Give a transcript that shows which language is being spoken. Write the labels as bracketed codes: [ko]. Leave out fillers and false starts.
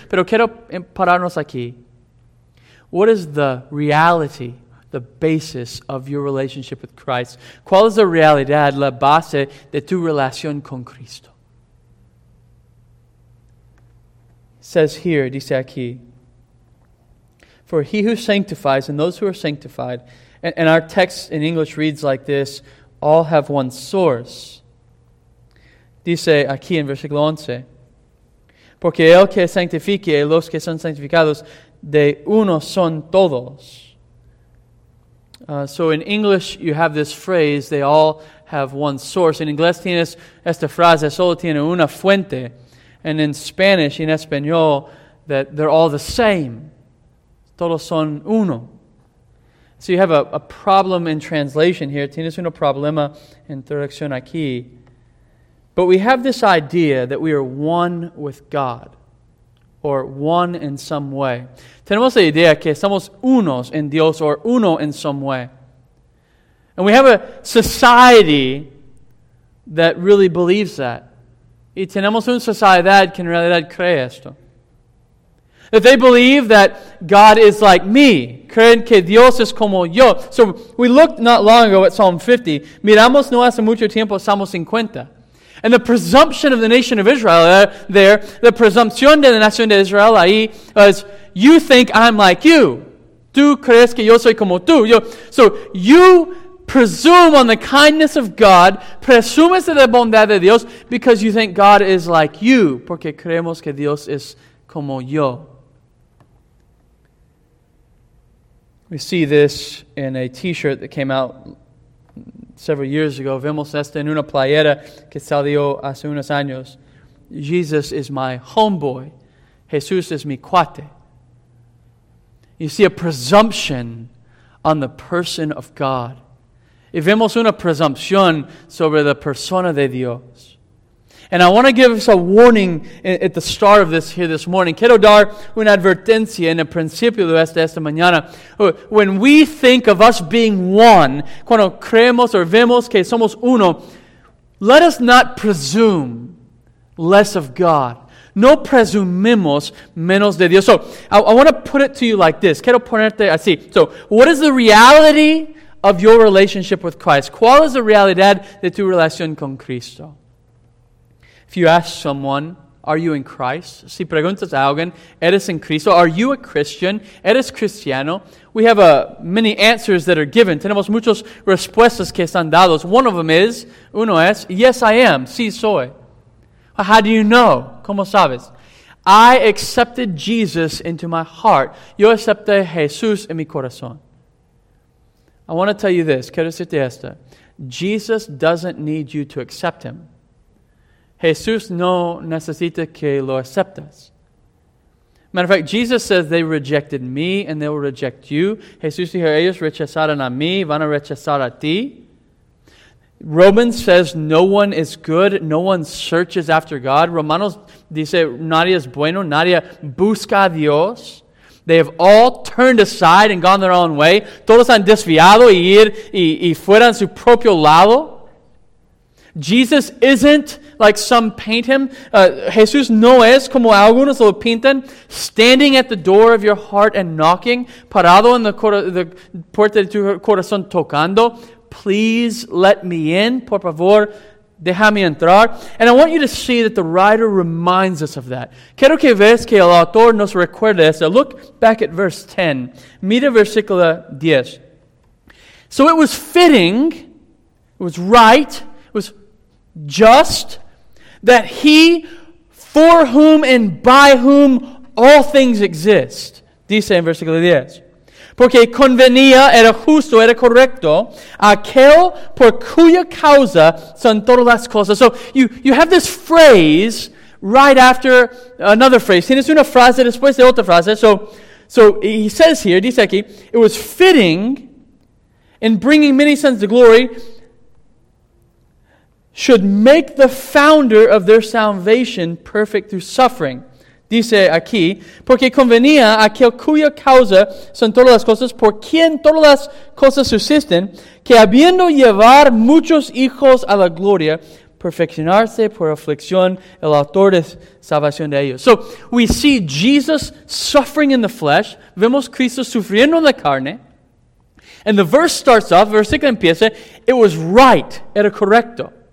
[es] Pero quiero pararnos aquí. [en] What is the reality, the basis of your relationship with Christ? [es] ¿Cuál es la realidad, la base de tu relación con Cristo? [en] Says here, [es] dice aquí, [en] for he who sanctifies and those who are sanctified, and our text in English reads like this, all have one source. [es] Dice aquí en versículo 11, porque el que sanctifique y los que son sanctificados, de uno son todos. [en] So in English, you have this phrase, they all have one source. [es] En inglés tienes esta frase, solo tiene una fuente. [en] And in Spanish, in Espanol, that they're all the same. [es] Todos son uno. [en] So you have a problem in translation here. [es] Tienes un problema en traducción aquí. [en] But we have this idea that we are one with God. Or one in some way. [es] Tenemos la idea que somos unos en Dios or uno en [en] some way. And we have a society that really believes that. [es] Y tenemos una sociedad que en realidad cree esto. [en] That they believe that God is like me. [es] Creen que Dios es como yo. [en] So we looked not long ago at Psalm 50. [es] Miramos no hace mucho tiempo Salmo 50. [en] And the presumption of the nation of Israel there, the presumption [es] de la nación de Israel ahí, [en] was, you think I'm like you. [es] Tú crees que yo soy como tú. [en] So you presume on the kindness of God, [es] presumes de la bondad de Dios, [en] because you think God is like you, [es] porque creemos que Dios es como yo. [en] We see this in a t-shirt that came out several years ago. [es] Vemos esto en una playera que salió hace unos años. [en] Jesus is my homeboy. [es] Jesús es mi cuate. [en] You see a presumption on the person of God. [es] Y vemos una presunción sobre la persona de Dios. [en] And I want to give us a warning at the start of this here this morning. [es] Quiero dar una advertencia en el principio de esta mañana. [en] When we think of us being one, [es] cuando creemos o vemos que somos uno, [en] let us not presume less of God. [es] No presumimos menos de Dios. [en] So, I want to put it to you like this. [es] Quiero ponerte así. [en] So, what is the reality of your relationship with Christ? [es] ¿Cuál es la realidad de tu relación con Cristo? [en] If you ask someone, are you in Christ? [es] Si preguntas a alguien, ¿eres en Cristo? [en] Are you a Christian? [es] ¿Eres cristiano? [en] We have many answers that are given. Tenemos muchas respuestas que están dadas. One of them is, [es] uno es, [en] yes, I am. [es] Sí, soy. [en] How do you know? [es] ¿Cómo sabes? [en] I accepted Jesus into my heart. [es] Yo acepté Jesús en mi corazón. [en] I want to tell you this. [es] Quiero decirte esto. [en] Jesus doesn't need you to accept him. [es] Jesús no necesita que lo aceptes. [en] Matter of fact, Jesus says they rejected me and they will reject you. [es] Jesús dijo, ellos rechazaron a mí, van a rechazar a ti. [en] Romans says no one is good, no one searches after God. [es] Romanos dice, nadie es bueno, nadie busca a Dios. [en] They have all turned aside and gone their own way. [es] Todos han desviado y fuera en su propio lado. [en] Jesus isn't like some paint him. [es] Jesús no es como algunos lo pintan, [en] standing at the door of your heart and knocking, [es] parado en the puerta de tu corazón tocando. [en] Please let me in. [es] Por favor, déjame entrar. [en] And I want you to see that the writer reminds us of that. [es] Quiero que veas que el autor nos recuerda eso. [en] Look back at verse 10. [es] Mira versículo 10. [en] So it was fitting, it was right, it was just that he for whom and by whom all things exist. [es] Dice en versículo 10. Porque convenía, era justo, era correcto, aquel por cuya causa son todas las cosas. [en] So you have this phrase right after another phrase. [es] Tienes una frase después de otra frase. [en] So he says here, [es] dice aquí, [en] it was fitting in bringing many sons to glory should make the founder of their salvation perfect through suffering. [es] Dice aquí, porque convenía aquel cuya causa son todas las cosas, por quien todas las cosas subsisten, que habiendo llevar muchos hijos a la gloria, perfeccionarse por aflicción el autor de salvación de ellos. [en] So, we see Jesus suffering in the flesh, [es] vemos Cristo sufriendo en la carne, [en] and the verse starts off, [es] versículo empieza, [en] it was right, [es] era correcto.